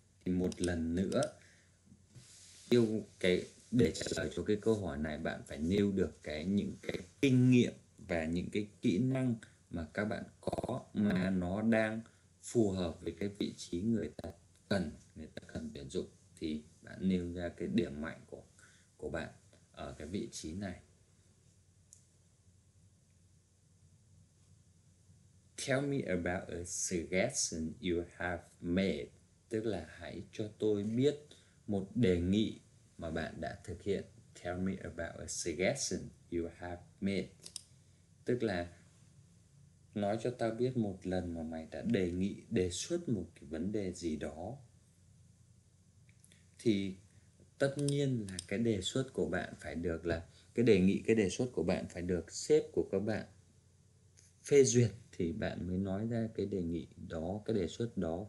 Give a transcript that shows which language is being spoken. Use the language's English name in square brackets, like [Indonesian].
[Vietnamese] Thì một lần nữa, yêu cái để trả lời cho cái câu hỏi này, bạn phải nêu được cái những cái kinh nghiệm và những cái kỹ năng mà các bạn có mà nó đang phù hợp với cái vị trí người ta cần tuyển dụng, thì bạn nêu ra cái điểm mạnh của bạn ở cái vị trí này. [English] Tell me about a suggestion you have made. [Vietnamese] Tức là hãy cho tôi biết một đề nghị mà bạn đã thực hiện. [English] Tell me about a suggestion you have made. [Vietnamese] Tức là nói cho tao biết một lần mà mày đã đề nghị, đề xuất một cái vấn đề gì đó. Thì Tất nhiên là cái đề xuất của bạn phải được là cái đề nghị, cái đề xuất của bạn phải được sếp của các bạn phê duyệt thì bạn mới nói ra cái đề nghị đó, cái đề xuất đó.